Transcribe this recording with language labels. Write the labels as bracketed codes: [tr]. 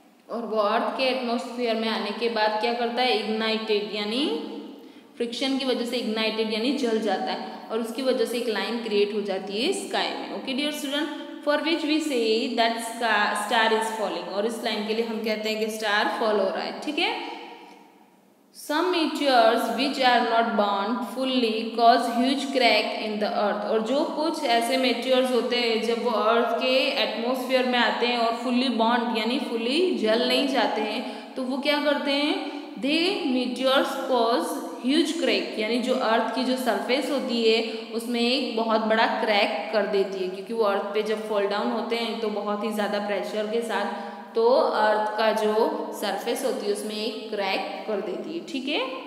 [hi] और वो अर्थ के एटमोस्फियर में आने के बाद क्या करता है, इग्नाइटेड यानी फ्रिक्शन की वजह से इग्नाइटेड यानी जल जाता है और उसकी वजह से एक लाइन क्रिएट हो जाती है स्काई में, [en] okay dear student, for which we say that star is falling, [hi] और इस लाइन के लिए हम कहते हैं कि स्टार फॉल हो रहा है, ठीक है। [en] Some meteors which are not burned fully cause huge crack in the earth. [hi] और जो कुछ ऐसे meteors होते हैं जब वो earth के atmosphere में आते हैं और fully burned यानी fully जल नहीं जाते हैं तो वो क्या करते हैं, [en] the meteors cause huge crack [hi] यानी जो earth की जो surface होती है उसमें एक बहुत बड़ा crack कर देती है, क्योंकि वो earth पे जब fall down होते हैं तो बहुत ही ज़्यादा pressure के साथ तो अर्थ का जो सरफेस होती है उसमें एक क्रैक कर देती है, ठीक है।